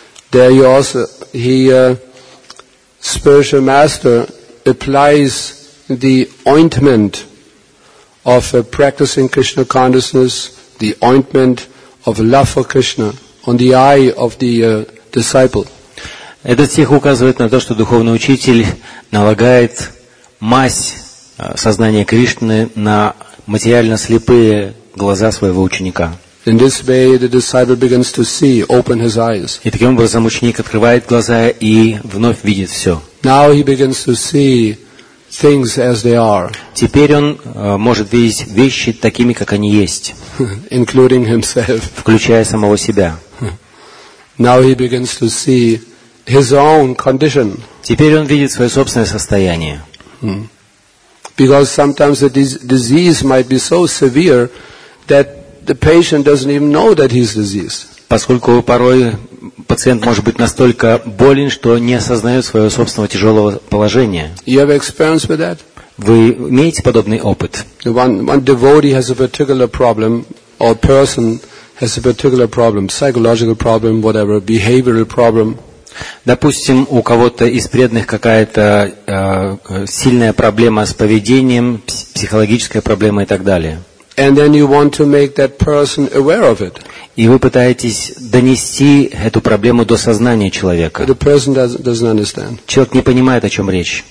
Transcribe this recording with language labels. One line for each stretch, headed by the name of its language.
English: There he also, he, spiritual master, applies the ointment of practicing Krishna consciousness, the ointment of love for Krishna on the eye of the disciple.
Russian: Этот стих указывает на то, что духовный учитель налагает мазь сознания Кришны на материально слепые глаза своего ученика.
English: In this way, the disciple begins to see, open his eyes.
Russian: И таким образом ученик открывает глаза и вновь видит все.
English: Now he begins to see things as they are.
Russian: Теперь он может видеть вещи такими, как они есть.
English: Including himself.
Russian: Включая самого себя.
English: Now he begins to see his own condition.
Russian: Теперь он видит свое собственное состояние.
English: Because sometimes the disease might be so severe that the patient doesn't even know that he's diseased.
Russian: Поскольку порой пациент может быть настолько болен, что не осознает своего собственного тяжелого положения.
English: You have experience with that?
Russian: Вы имеете подобный опыт?
English: One devotee has a particular problem, or person has a particular problem, psychological problem, whatever, behavioral problem.
Russian: Допустим, у кого-то из преданных какая-то сильная проблема с поведением, психологическая проблема и так далее.
English: And then you want to make that person aware of it.
Russian: И вы пытаетесь донести эту проблему до сознания человека.
English: The person doesn't understand.
Russian: Человек не понимает, о чем речь.